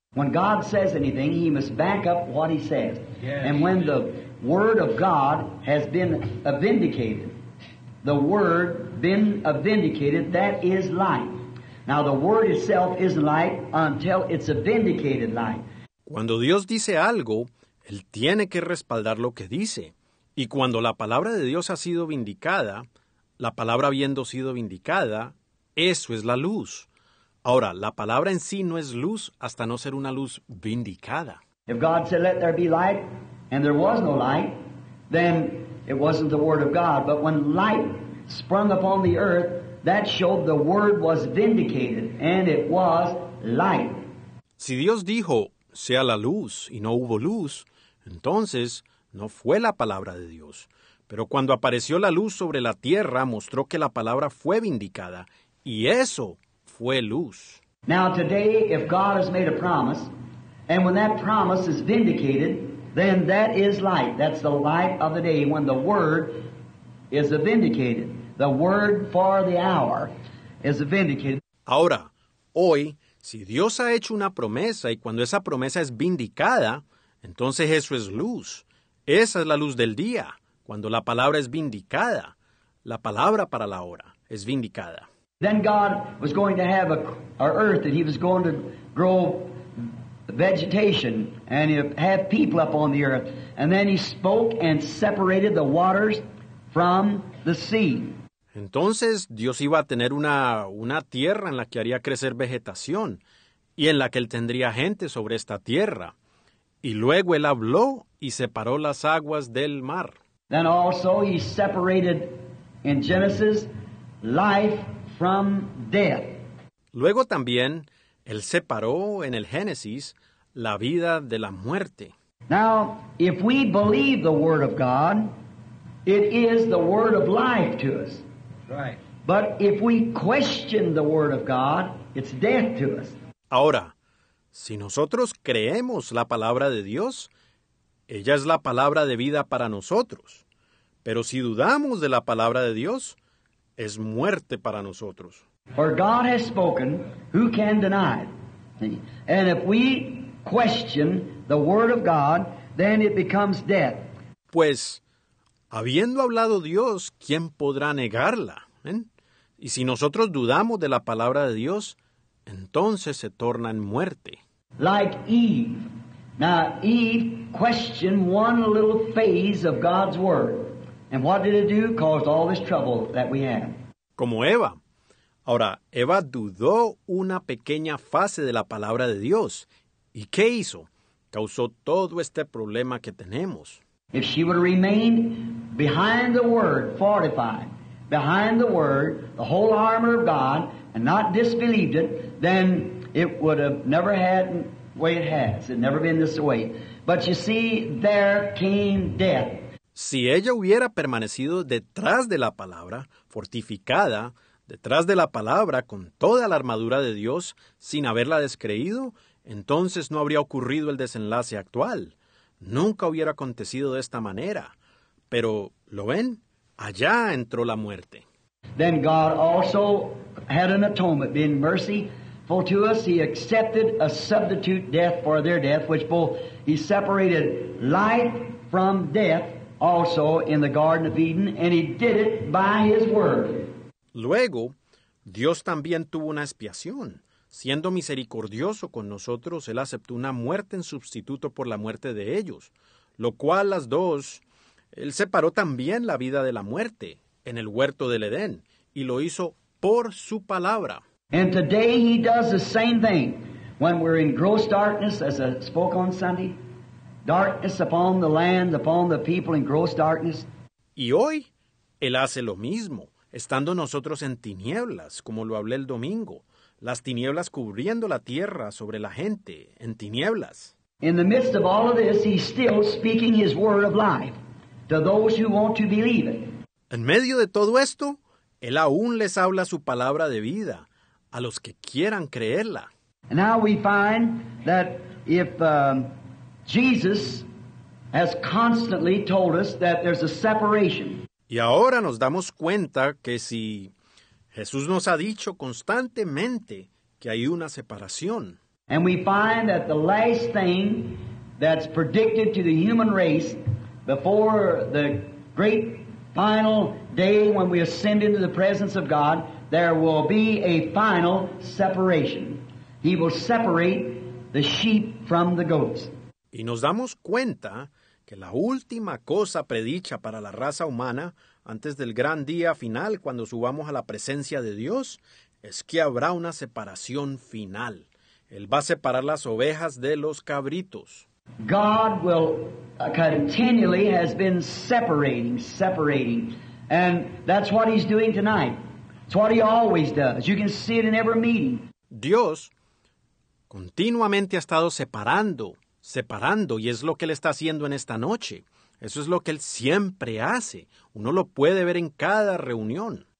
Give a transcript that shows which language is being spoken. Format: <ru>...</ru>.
<en>When God says anything, He must back up what He says. Yes. And when the Word of God has been vindicated, the Word been vindicated, that is light. Now the Word itself is light until it's a vindicated light.</en> <es>Cuando Dios dice algo, Él tiene que respaldar lo que dice. Y cuando la palabra de Dios ha sido vindicada, la palabra habiendo sido vindicada, eso es la luz. Ahora, la palabra en sí no es luz hasta no ser una luz vindicada.</es> <en>If God said, let there be light, and there was no light, then it wasn't the Word of God. But when light sprung upon the earth, that showed the Word was vindicated, and it was light.</en> <es>Si Dios dijo, sea la luz, y no hubo luz, entonces no fue la palabra de Dios. Pero cuando apareció la luz sobre la tierra, mostró que la palabra fue vindicada, y eso fue luz.</es> <en>Now today, if God has made a promise, and when that promise is vindicated, then that is light. That's the light of the day when the Word is vindicated. The Word for the hour is vindicated.</en> <es>Ahora, hoy, si Dios ha hecho una promesa y cuando esa promesa es vindicada, entonces eso es luz. Esa es la luz del día, cuando la palabra es vindicada. La palabra para la hora es vindicada.</es> <en>Then God was going to have a earth that He was going to grow vegetation and have people up on the earth. And then He spoke and separated the waters from the sea.</en> <es>Entonces Dios iba a tener una tierra en la que haría crecer vegetación y en la que Él tendría gente sobre esta tierra. Y luego Él habló y separó las aguas del mar.</es> <en>Then also He separated in Genesis life from death.</en> <es>Luego también, Él separó en el Génesis la vida de la muerte.</es> <en>Now, if we believe the Word of God, it is the Word of life to us. Right. But if we question the Word of God, it's death to us.</en> <es>Ahora, si nosotros creemos la palabra de Dios, ella es la palabra de vida para nosotros. Pero si dudamos de la palabra de Dios, es muerte para nosotros.</es> <en>For God has spoken, who can deny it? And if we question the Word of God, then it becomes death.</en> <es>Pues, habiendo hablado Dios, ¿quién podrá negarla? Y si nosotros dudamos de la palabra de Dios, entonces se torna en muerte.</es> <en>Like Eve. Now, Eve questioned one little phase of God's Word. And what did it do? Caused all this trouble that we have.</en> <es>Como Eva. Ahora, Eva dudó una pequeña fase de la palabra de Dios. ¿Y qué hizo? Causó todo este problema que tenemos.</es> <en>If she would remain behind the Word, fortified, behind the Word, the whole armor of God, and not disbelieved it, then it would have never had the way it has. It had never been this way. But you see, there came death.</en> <es>Si ella hubiera permanecido detrás de la palabra, fortificada, detrás de la palabra, con toda la armadura de Dios, sin haberla descreído, entonces no habría ocurrido el desenlace actual. Nunca hubiera acontecido de esta manera. Pero, ¿lo ven? Allá entró la muerte.</es> <en>Then God also had an atonement, being merciful to us. He accepted a substitute death for their death, which both He separated life from death also in the Garden of Eden, and He did it by His word.</en> <es>Luego, Dios también tuvo una expiación. Siendo misericordioso con nosotros, Él aceptó una muerte en sustituto por la muerte de ellos, lo cual las dos Él separó también la vida de la muerte en el huerto del Edén y lo hizo por su palabra.</es> <en>And today he does the same thing. When we're in gross darkness, as I spoke on Sunday, darkness upon the land, upon the people in gross darkness.</en> <es>Y hoy, él hace lo mismo, estando nosotros en tinieblas, como lo hablé el domingo, las tinieblas cubriendo la tierra sobre la gente, en tinieblas.</es> <en>In the midst of all of this, he's still speaking his word of life to those who want to believe it.</en> <es>En medio de todo esto, él aún les habla su palabra de vida a los que quieran creerla.</es> <en>Now we find that if Jesus has constantly told us that there's a separation.</en> <es>Y ahora nos damos cuenta que si Jesús nos ha dicho constantemente que hay una separación.</es> <en>And we find that the last thing that's predicted to the human race before the great final day when we ascend into the presence of God, there will be a final separation. He will separate the sheep from the goats.</en> <es>Y nos damos cuenta que la última cosa predicha para la raza humana antes del gran día final, cuando subamos a la presencia de Dios, es que habrá una separación final. Él va a separar las ovejas de los cabritos.</es> <en>God will continually has been separating, and that's what he's doing tonight. It's what he always does. You can see it in every meeting.</en> <es>Dios continuamente ha estado separando, y es lo que él está haciendo en esta noche. Eso es lo que él siempre hace. Uno lo puede ver en cada reunión.</es>